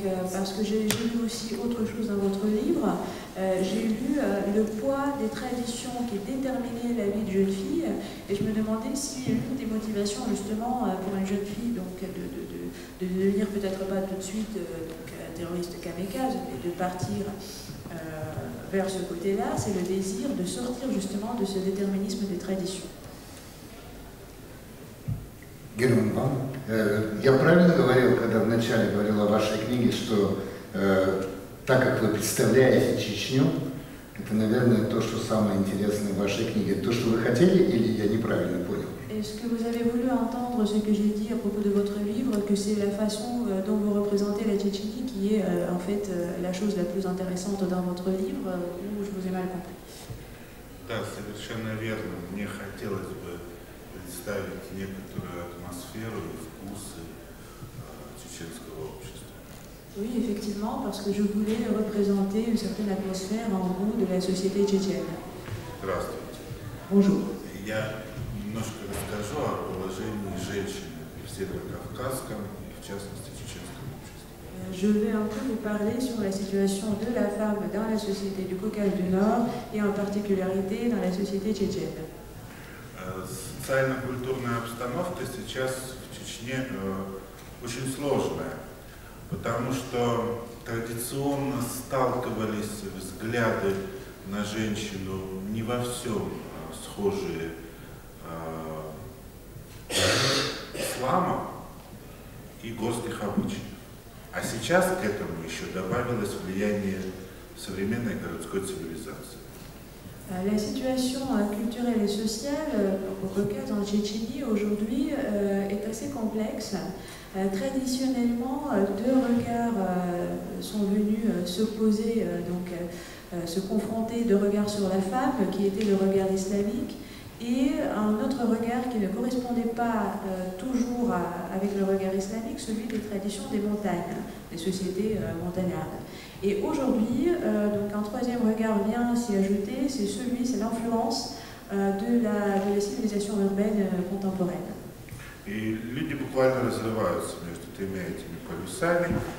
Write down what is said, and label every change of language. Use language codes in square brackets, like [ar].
[fr] Parce que j'ai lu aussi autre chose dans votre livre, j'ai lu le poids des traditions qui déterminaient la vie de jeune fille, et je me demandais si l'une des motivations justement pour une jeune fille donc, de devenir peut-être pas tout de suite donc, terroriste kamikaze, mais de partir vers ce côté-là, c'est le désir de sortir justement de ce déterminisme des traditions. [ru] Герман, вам, я правильно говорил, когда вначале говорил о вашей книге, что так как вы представляете Чечню, это, наверное, то, что самое интересное в вашей книге, то, что вы хотели, или я неправильно понял? [fr] Est-ce que vous avez voulu entendre ce que j'ai dit à propos de votre livre, que c'est la façon dont vous représentez la Tchétchénie qui est en fait la chose la plus intéressante dans votre livre, ou je vous ai mal compris? [ru] Да, совершенно верно. Мне хотелось бы представить некоторую атмосферу и вкусы чеченского общества. [fr] Oui, effectivement, parce que je voulais représenter une certaine atmosphère en gros de la société tchétchène. [ru] Здравствуйте. [fr] Bonjour. [ru] Я немножко расскажу о положении женщины в северокавказском и в частности чеченском обществе. [fr] Je vais un peu vous parler sur la situation de la femme dans la société du Caucase du Nord et en particularité dans la société tchétchène. [ru] Социально-культурная обстановка сейчас в Чечне очень сложная, потому что традиционно сталкивались взгляды на женщину не во всем схожие ислама и горских обычаев. А сейчас к этому еще добавилось влияние современной городской цивилизации. [fr] La situation culturelle et sociale au Caucase en Tchétchénie aujourd'hui est assez complexe. Traditionnellement, deux regards sont venus s'opposer, donc se confronter, deux regards sur la femme, qui était le regard islamique, et un autre regard qui ne correspondait pas toujours avec le regard islamique, celui des traditions des montagnes, des sociétés montagnardes. Et aujourd'hui, donc un troisième regard vient s'y ajouter, c'est celui, c'est l'influence de la civilisation urbaine contemporaine. Et les gens [ru] буквально разрываются между тремя этими полюсами.